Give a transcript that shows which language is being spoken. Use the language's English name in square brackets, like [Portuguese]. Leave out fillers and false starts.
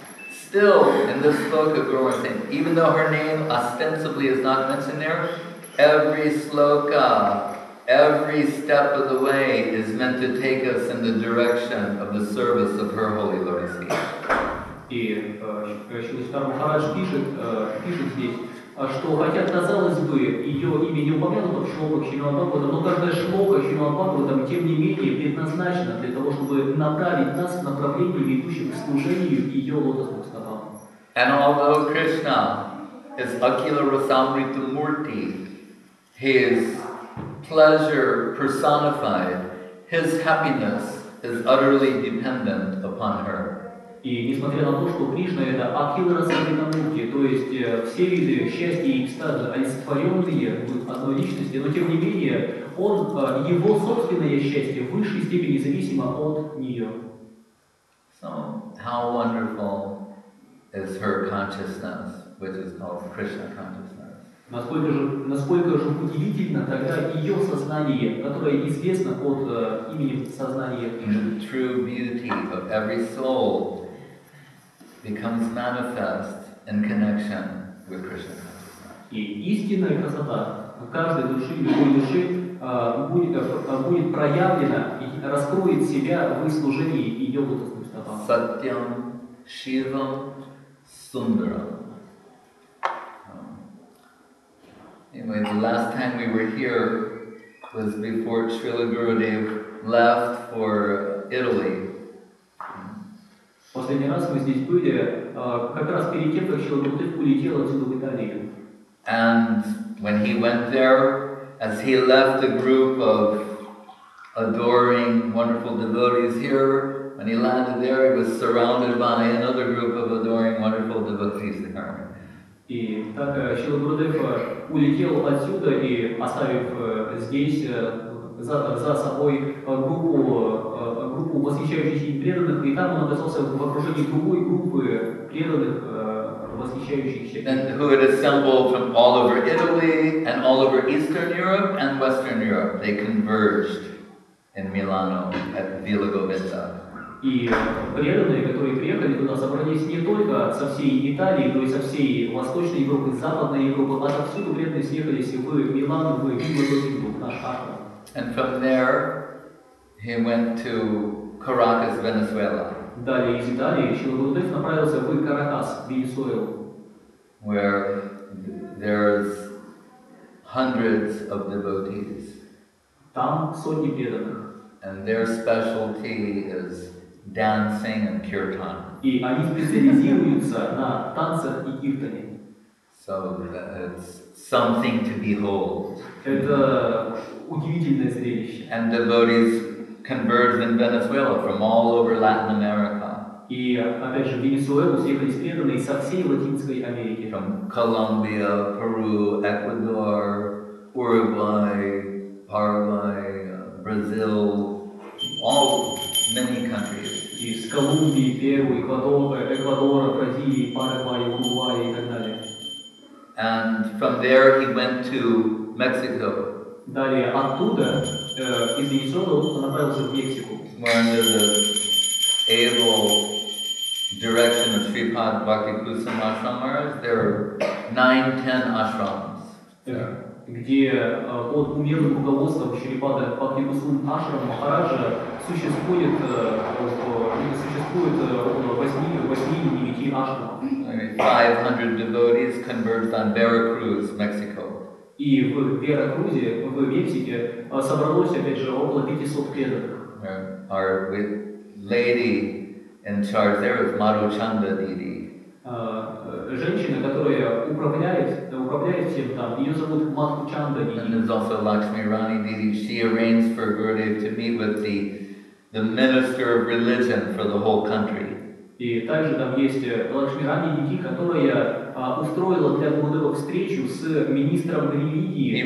[English] Still, in this sloka, Guru Maharaj is saying, even though her name ostensibly is not mentioned there, every sloka, every step of the way is meant to take us in the direction of the service of her holy lotus feet. [Russian] И Шри Чайтанья Махарадж пишет здесь, что хотя, казалось бы, ее имя не упомянуто в шлоках Шримад Бхагаватам, но каждая шлока Шримад Бхагаватам, тем не менее, предназначена для того, чтобы направить нас в направлении, ведущем к служению ее лотосным стопам. [English] And although Krishna is Akhilarasamrita Murti, his pleasure personified, his happiness is utterly dependent upon her. [Russian] И несмотря на то, что Кришна это Акхиларасамрита Мурти, то есть все виды счастья и экстаза, олицетворенные одной личности, но тем не менее, он, его собственное счастье в высшей степени зависимо от нее. [English] So, how wonderful is her consciousness, which is called Krishna consciousness. [Russian] Насколько же удивительно тогда ее сознание, которое известно под именем сознания Кришны. [English] The true beauty of every soul becomes manifest in connection with Krishna consciousness. [Russian] И истинная красота каждой души, любой души, будет проявлена и раскроет себя в служении ее лотосным стопам. [Sanskrit] Satyam, Shivam, Sundaram. [English] Anyway, the last time we were here was before Srila Gurudev left for Italy. [Russian] Последний раз мы здесь были, как раз перед тем, как Шрила Гурудев улетел отсюда в Италию. [English] And when he went there, as he left a group of adoring, wonderful devotees here, when he landed there, he was surrounded by another group of adoring, wonderful devotees there. [Russian] И так Шрила Гурудев улетел отсюда и оставив здесь за собой группу восхищающихся им преданных, и там он оказался в окружении другой группы преданных, восхищающихся. [English] And who had assembled from all over Italy and all over Eastern Europe and Western Europe. They converged in Milano at Villa Govinda. [Russian] И преданные, которые приехали туда, собрались не только со всей Италии, но и со всей Восточной Европы, Западной Европы, а отовсюду преданные съехались в Милан, в Вилла Говинда, в наш Ашрам. [English] And from there, he went to Caracas, Venezuela. [Russian] Далее из Италии Шрила Гурудев направился в Каракас, Венесуэла. [English] Where there's hundreds of devotees. [Russian] Там сотни преданных. [English] And their specialty is dancing and kirtan. [Russian] И они специализируются на танцах и киртане. [English] So it's something to behold. [Russian] Это удивительное зрелище. [English] And devotees converged in Venezuela from all over Latin America. [Russian] И опять же, в Венесуэлу съехались преданные со всей Латинской Америки. [English] From Colombia, Peru, Ecuador, Uruguay, Paraguay, Brazil, all many countries. [Russian] Из Колумбии, Перу, Эквадора, Бразилии, Парагвай, Уругвай и так далее. [English] And from there he went to Mexico. [Russian] Далее оттуда, из Венесуэлы, он направился в Мексику. [English] Where under the able direction of Sripad Bhaktikusuma Ashramaras, there are 9-10 ashrams. [Russian] Где под умелым руководством Шрипада Бхактикусумы Ашрама Махараджа существует около 8-9 ашрамов. [English] 500 devotees converged on Veracruz, Mexico. [Russian] И в Веракрузе, в Мексике, собралось опять же около 500 преданных. [English] Our lady in charge there is Maruchanda Didi. [Russian] Женщина, которая управляет всем там, ее зовут Маручанда Диди. [English] And there's also Lakshmi Rani Didi. She arranged for Gurudev to meet with the minister of religion for the whole country. [Russian] И также там есть Лакшмирани Диди, которая устроила для Гурудева встречу с министром религии.